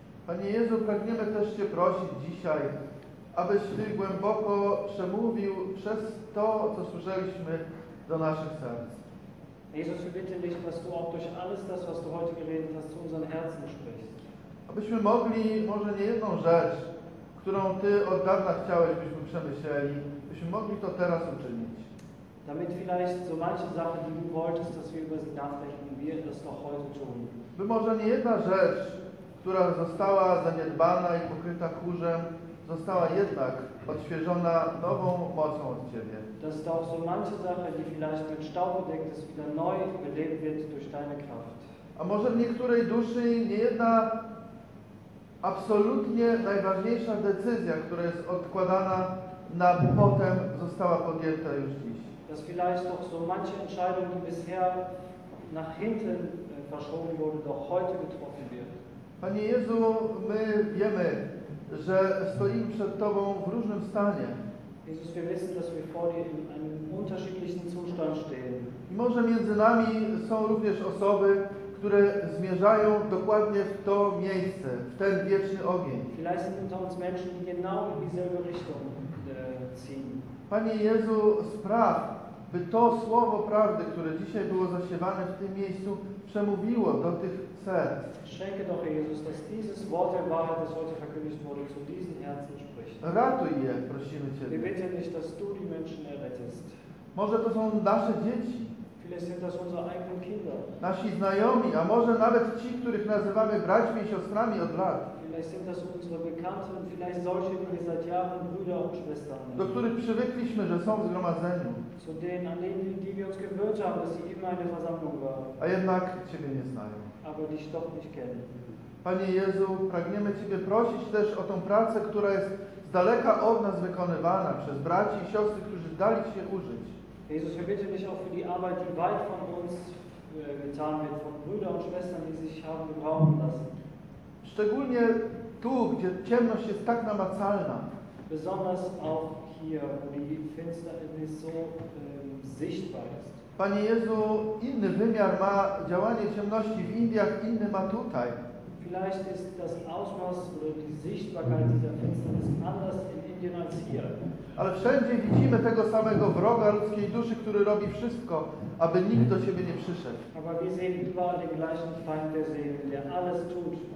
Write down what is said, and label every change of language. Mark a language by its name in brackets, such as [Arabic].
[Polish] Panie Jezu, pragniemy też Cię prosić dzisiaj, abyś Ty głęboko przemówił przez to, co słyszeliśmy, do naszych serc. [German] Jesus, wir bitten dich, dass du auch durch alles das, was du heute geredet hast, zu unseren Herzen sprichst. [Polish] Abyśmy mogli może nie jedną rzecz, którą Ty od dawna chciałeś, byśmy przemyśleli, byśmy mogli to teraz uczynić. [German] Damit vielleicht so manche Sache, die du wolltest, dass wir über sie nachdenken, wir das doch heute tun. [Polish] By może nie jedna rzecz, która została zaniedbana i pokryta kurzem, została jednak odświeżona nową mocą od Ciebie. [German] Dass da auch so manche Sache, die vielleicht mit Staub bedeckt ist, wieder neu belebt wird durch deine Kraft. [Polish] A może w niektórej duszy nie jedna absolutnie najważniejsza decyzja, która jest odkładana na potem, została podjęta już dziś. [German] Dass vielleicht auch so manche Entscheidung, die bisher nach hinten verschoben wurde, doch heute getroffen wird. [Polish] Panie Jezu, my wiemy, że stoimy przed Tobą w różnym stanie. [German] Jesus, wir wissen, dass wir vor dir in einem unterschiedlichen Zustand stehen. [Polish] I może między nami są również osoby, które zmierzają dokładnie w to miejsce, w ten wieczny ogień. [German] Vielleicht sind unter uns Menschen, die genau in dieselbe Richtung ziehen. [Polish] Panie Jezu, spraw, by to słowo prawdy, które dzisiaj było zasiewane w tym miejscu, przemówiło do tych serc. [German] Schenke doch, Jesus, dass dieses Wort der Wahrheit, das heute verkündigt wurde, zu diesen Herzen spricht. [Polish] Ratuj je, prosimy Cię. [German] Wir bitten dich, dass du die Menschen errettest. [Polish] Może to są nasze dzieci? [German] Vielleicht sind das unsere eigenen Kinder. [Polish] Nasi znajomi, a może nawet ci, których nazywamy braćmi i siostrami od lat. [German] Vielleicht sind das unsere Bekannten, vielleicht solche, die wir seit Jahren Brüder und Schwestern nennen. [Polish] Do których przywykliśmy, że są w zgromadzeniu. [German] Zu denen, an denen, die wir uns gewöhnt haben, dass sie immer eine Versammlung waren. [Polish] A jednak Ciebie nie znają. [German] Aber dich doch nicht kennen. [Polish] Panie Jezu, pragniemy Ciebie prosić też o tą pracę, która jest z daleka od nas wykonywana przez braci i siostry, którzy dali się użyć. [German] Jesus, wir bitten dich auch für die Arbeit, die weit von uns getan wird, von Brüdern und Schwestern, die sich haben gebrauchen lassen. [Polish] Szczególnie tu, gdzie ciemność jest tak namacalna. [German] Besonders auch hier, wo die Finsternis so sichtbar ist. [Polish] Panie Jezu, inny wymiar ma działanie ciemności w Indiach, inny ma tutaj. [German] Vielleicht ist das Ausmaß oder die Sichtbarkeit dieser Finsternis anders in Indien als hier. [Polish] Ale wszędzie widzimy tego samego wroga ludzkiej duszy, który robi wszystko, aby nikt do siebie nie przyszedł. [German] Aber wir sehen überall den gleichen Feind, der sehen, der alles tut.